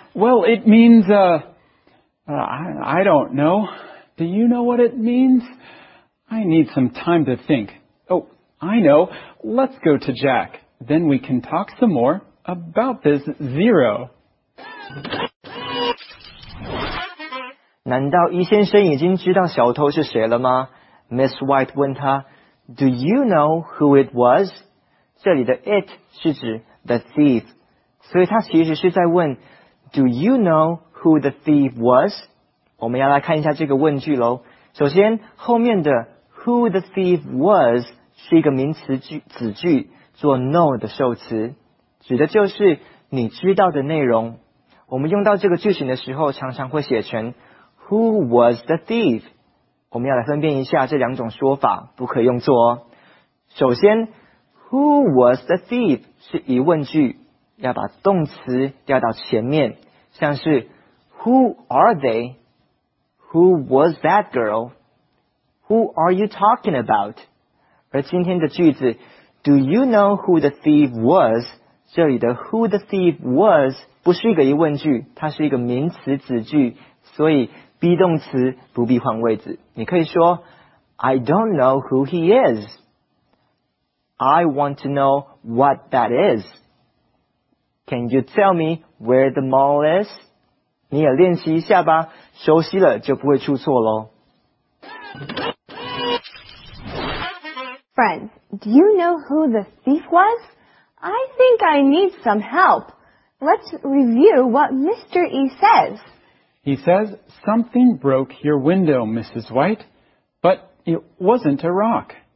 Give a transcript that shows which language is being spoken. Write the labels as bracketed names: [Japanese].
[English] Well, it means, I don't know. Do you know what it means? I need some time to think. Oh, I know. Let's go to Jack. Then we can talk some more about this 0. [Chinese] 难道伊先生已经知道小偷是谁了吗？ [English] Miss White [Chinese] 问他， [English] Do you know who it was? [Chinese] 这里的 it 是指 the thief， 所以他其实是在问 [English] Do you know who the thief was? [Chinese] 我们要来看一下这个问句咯。首先后面的 [English] who the thief was [Chinese] 是一个名词子句，做 know 的受词，指的就是你知道的内容。我们用到这个句型的时候，常常会写成 [English] Who was the thief? [Chinese] 我们要来分辨一下这两种说法，不可用错哦。首先 [English] Who was the thief? [Chinese] 是疑问句，要把动词调到前面，像是 [English] Who are they? Who was that girl? Who are you talking about? [Chinese] 而今天的句子 [English] Do you know who the thief was? [Chinese] 这里的 [English] who the thief was [Chinese] 不是一个疑问句，它是一个名词子句，所以 be 动词不必换位置。你可以说 [English] I don't know who he is. I want to know what that is. Can you tell me where the mall is? [Chinese] 你也练习一下吧，熟悉了就不会出错咯。 [English] Friends, do you know who the thief was? I think I need some help. Let's review what Mr. E says. He says, something broke your window, Mrs. White, but it wasn't a rock.